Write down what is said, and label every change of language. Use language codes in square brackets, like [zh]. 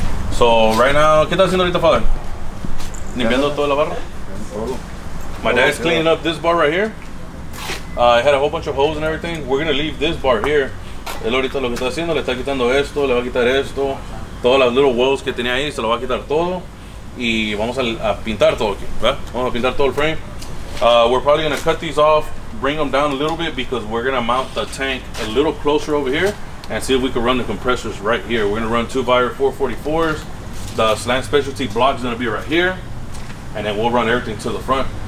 [en] So right now, [es] ¿qué está haciendo ahorita, father? ¿Limpiando toda la barra? [en] My dad's cleaning up this bar right here. It had a whole bunch of holes and everything. We're gonna leave this bar here. [es] El ahorita lo que está haciendo, le está quitando esto, le va a quitar esto. Todas las [en] little welds [es] que tenía ahí, se lo va a quitar todo. y vamos a pintar todo aquí, ¿verdad? Vamos a pintar todo el frame. [en] We're probably gonna cut these off, bring them down a little bit because we're gonna mount the tank a little closer over here and see if we can run the compressors right here. We're gonna run two Vire 444s. The slant specialty block is gonna be right here, and then we'll run everything to the front.